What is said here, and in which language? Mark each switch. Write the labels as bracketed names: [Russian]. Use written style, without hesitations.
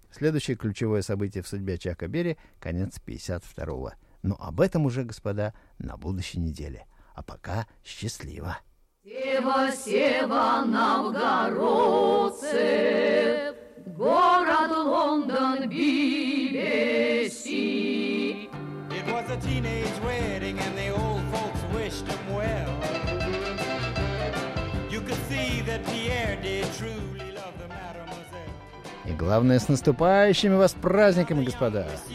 [Russian] Следующее ключевое событие в судьбе Чака Берри — конец 52-го. Но об этом уже, господа, на будущей неделе. А пока счастливо! Сева, Сева, новгородцев, город Лондон, Би-Би-Си. [English] It was a teenage wedding and the old folks wished them well. You could see that Pierre did truly love the mademoiselle. [Russian] И главное, с наступающими вас праздниками, господа!